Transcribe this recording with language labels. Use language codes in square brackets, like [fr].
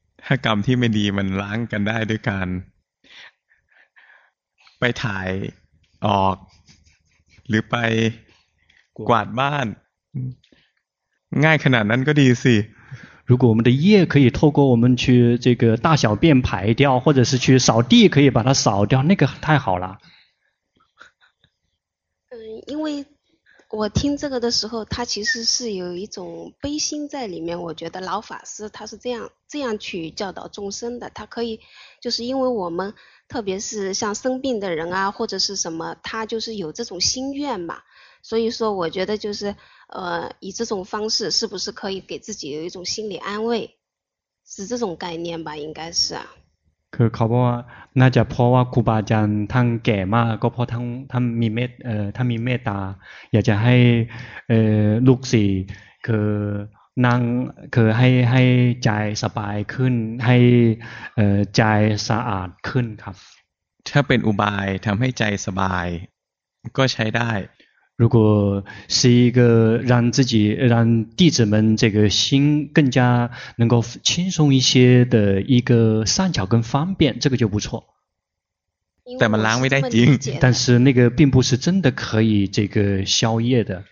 [th] ถ้ากรรมที่ไม่ดีมันล้างกันได้ด้วยการไปถ่ายออกหรือไปกวาดบ้านง่ายขนาดนั้นก็ดีสิ [zh] 如果我们的业可以透过我们去这个大小便排掉或者是去扫地可以把它扫掉那个太好了因为我听这个的时候他其实是有一种悲心在里面我觉得老法师他是这样去教导众生的他可以就是因为我们特别是像生病的人啊或者是什么他就是有这种心愿嘛所以说我觉得就是以这种方式是不是可以给自己有一种心理安慰是这种概念吧应该是啊 [th] คือเขาบอกว่าน่าจะเพราะว่าครูบาอาจารย์ท่านแก่มากก็เพราะท่านมีเมตตาอยากจะให้ลูกศิษย์คือนั่งคือให้ใจสบายขึ้นให้ใจสะอาดขึ้นครับ ถ้าเป็นอุบายทำให้ใจสบายก็ใช้ได้ [zh] 如果是一个让自己让弟子们这个心更加能够轻松一些的一个善巧跟方便这个就不错但么难为的经但是那个并不是真的可以这个消业的